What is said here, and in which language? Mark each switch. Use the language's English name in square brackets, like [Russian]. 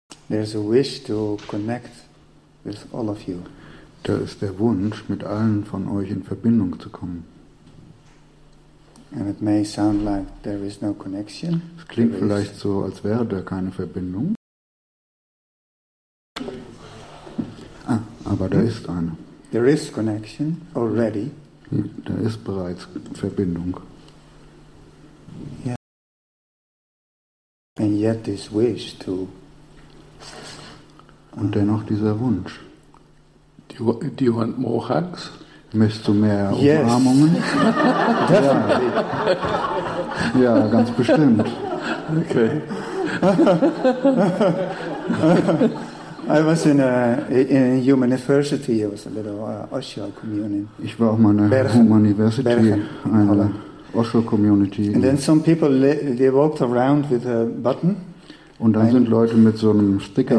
[English] There's a wish to connect with all of you. [German] Da ist der Wunsch, mit allen von euch in Verbindung zu kommen. [English] And it may sound like there is no connection. [German] Es klingt vielleicht so, als wäre da keine Verbindung. Ah, aber da ist eine. [English] There is connection already. [German] Da ist bereits Verbindung. [English] Yeah. And yet this wish to. [German] Und dennoch dieser Wunsch. [English] Do you want more hugs? [German] Möchtest du mehr Umarmungen? [English] Yes. [German] Ja. Ja, ganz bestimmt. [English] Okay. I was in a human university. It was a little Osho community. [German] Ich war auch mal in einer Human-University, eine Osho-Community. [English] And then some people, they walked around with a button. [German] Und dann sind Leute mit so einem Sticker